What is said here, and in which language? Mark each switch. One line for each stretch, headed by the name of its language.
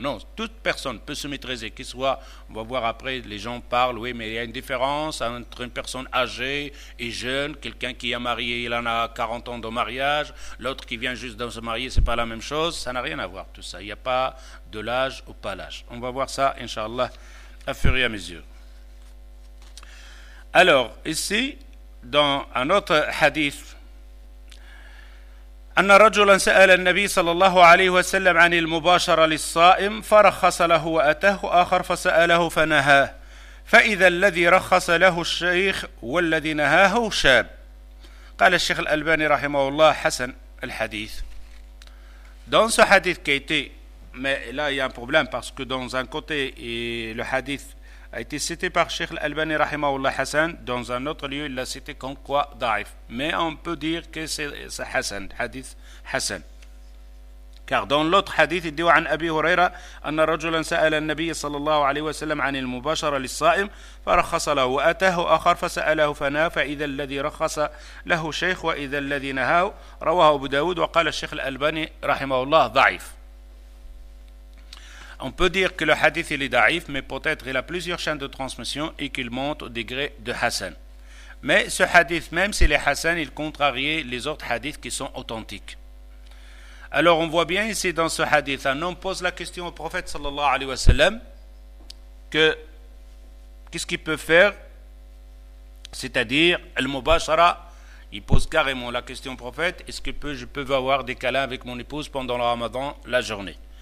French: Non, toute personne peut se maîtriser, qu'il soit, on va voir après, les gens parlent, oui, mais il y a une différence entre une personne âgée et jeune, quelqu'un qui est marié, il en a 40 ans de mariage, l'autre qui vient juste de se marier, ce n'est pas la même chose, ça n'a rien à voir tout ça, il n'y a pas de l'âge ou pas l'âge. On va voir ça, Inch'Allah, à fur et à mesure. Alors, ici, dans un autre hadith,
Arabic: أن رجلا سأل النبي صلى الله عليه وسلم عن المباشرة للصائم فرخص له وأتاه آخر فسأله فنهاه فإذا الذي رخص له الشيخ والذي نهاه شاب. قال الشيخ الألباني رحمه الله حسن الحديث.
French: Dans ce hadith qui a été, mais là il y a un problème parce que dans un côté le hadith a été cité par Cheikh Al-Albani rahimahullah Hassan, dans un autre lieu il l'a cité comme quoi daif, mais on peut dire que c'est Hassan, hadith Hassan, car dans l'autre hadith il dit
Arabic: عن أبي هريرة أن رجلا سأل النبي صلى الله عليه وسلم عن المباشرة للصائم فرخص له وأتاه آخر فسأله فنهى فإذا الذي رخص له شيخ وإذا الذي نهاه. رواه أبو داود وقال الشيخ الألباني رحمه الله ضعيف.
French: On peut dire que le hadith il est daïf, mais peut-être il a plusieurs chaînes de transmission et qu'il monte au degré de Hassan. Mais ce hadith, même s'il est Hassan, il contrarie les autres hadiths qui sont authentiques. Alors on voit bien ici dans ce hadith, un homme pose la question au prophète sallallahu alayhi wa sallam, que qu'est-ce qu'il peut faire, c'est-à-dire al-mubashara, il pose carrément la question au prophète, est-ce que je peux avoir des câlins avec mon épouse pendant le ramadan, la journée.